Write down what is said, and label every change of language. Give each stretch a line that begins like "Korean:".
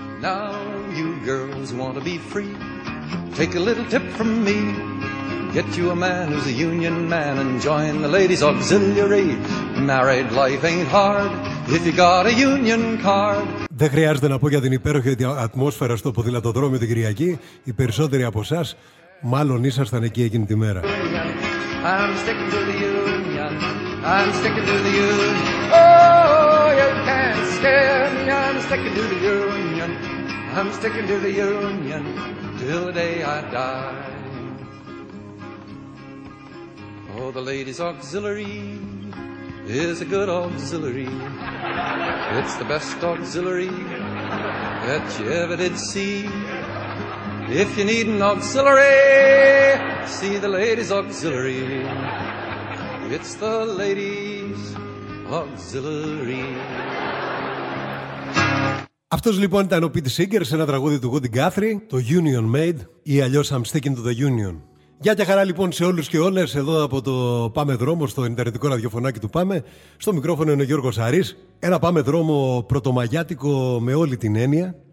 English: Now you girls want to be free, take a little tip from me. Get you a man who's a union man and join the ladies' auxiliary. Married life ain't hard if you got a union card.
Greek: Δεν χρειάζεται να πω για την υπέροχη ατμόσφαιρα στο ποδηλατοδρόμιο την Κυριακή. Οι περισσότεροι από εσάς μάλλον ήσασταν εκεί εκείνη τη μέρα.
English: I'm sticking to the union. I'm sticking to the union. Oh, you can't scare me. I'm sticking to the union. I'm sticking to the union till the day I die. Oh, the ladies' auxiliary is a good auxiliary. It's the best auxiliary that you ever did see. If you need an auxiliary, see the ladies' auxiliary. It's the ladies' auxiliary.
Greek: Αυτός λοιπόν ήταν ο Pete Seeger σε ένα τραγούδι του Woody Guthrie, το Union Maid ή αλλιώς I'm sticking to the Union. Γεια και χαρά λοιπόν σε όλους και όλες εδώ από το Πάμε Δρόμο στο ιντερνετικό ραδιοφωνάκι του Πάμε. Στο μικρόφωνο είναι ο Γιώργος Σαρής. Ένα Πάμε Δρόμο πρωτομαγιάτικο με όλη την έννοια.